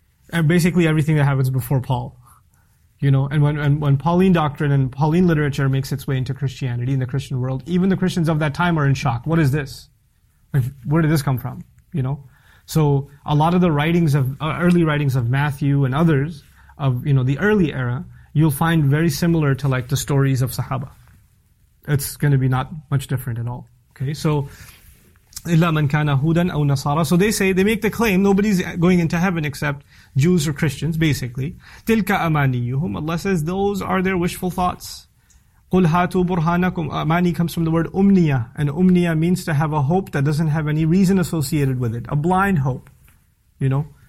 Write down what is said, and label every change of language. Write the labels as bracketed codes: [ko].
[en] And basically everything that happens before Paul. And when Pauline doctrine and Pauline literature makes its way into Christianity in the Christian world, even the Christians of that time are in shock. What is this? Where did this come from? So a lot of the writings of, early writings of Matthew and others, of the early era, you'll find very similar to the stories of Sahaba. it's going to be not much different at all. Okay, so [ar] إِلَّا مَنْ كَانَ هُودًا أَوْ نَصَارًا. [en] So they say, they make the claim, nobody's going into heaven except Jews or Christians, basically. [ar] تِلْكَ أَمَانِيُّهُمْ. [en] Allah says, those are their wishful thoughts. [ar] قُلْ هَاتُوا بُرْهَانَكُمْ. [en] Amani comes from the word umniya, and umniya means to have a hope that doesn't have any reason associated with it. A blind hope, you know.